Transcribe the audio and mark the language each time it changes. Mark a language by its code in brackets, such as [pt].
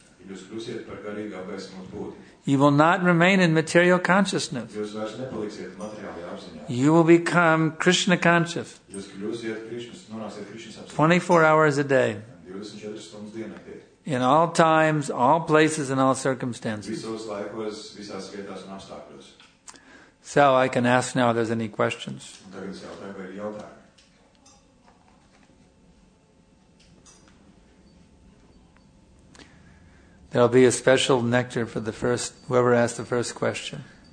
[lv] Jūs kļūsiet par garīgu apgaismu būti. [en] You will not remain in material consciousness. [lv] Jūs vairs nepaliksiet materiālajā apziņā. [en] You will become Krishna conscious. [lv] Jūs kļūsiet Krishnas, nonāksiet Krishnas apziņā. [en] 24 hours a day. [lv] 24 stundas dienā. [en] In all times, all places, and all circumstances. [lv] Visos laikos, visās vietās un apstākļos. [en] So I can ask now if there's any questions. There'll be a special nectar for the first whoever asked the first question.